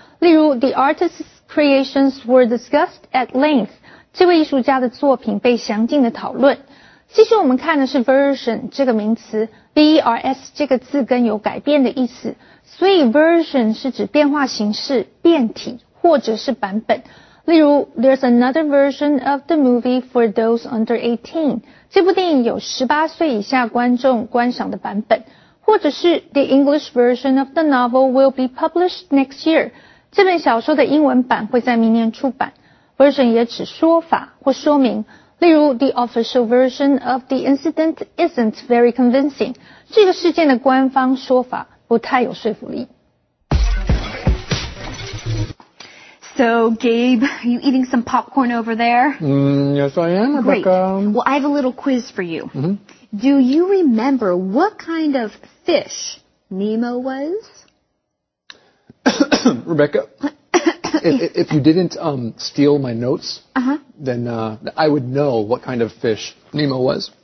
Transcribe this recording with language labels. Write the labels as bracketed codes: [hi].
[zh] 例如 [en] ,The artist's creations were discussed at length. [zh] 这位艺术家的作品被详尽的讨论。接着我们看的是 version 这个名词 ,vers 这个字根有改变的意思。所以 version 是指变化形式、变体或者是版本。例如 [en] ,there's another version of the movie for those under 18. [zh] 这部电影有18岁以下观众观赏的版本。或者是 [en] ,the English version of the novel will be published next year. [zh] 这本小说的英文版会在明年出版。 Version 也指说法或说明。例如 [en] ,the official version of the incident isn't very convincing. [zh] 这个事件的官方说法不太有说服力。 [en] So, Gabe, are you eating some popcorn over there? Yes, I am, Rebecca. Great. Well, I have a little quiz for you. Do you remember what kind of fish Nemo was? Rebecca, if you didn't steal my notes, then I would know what kind of fish Nemo was.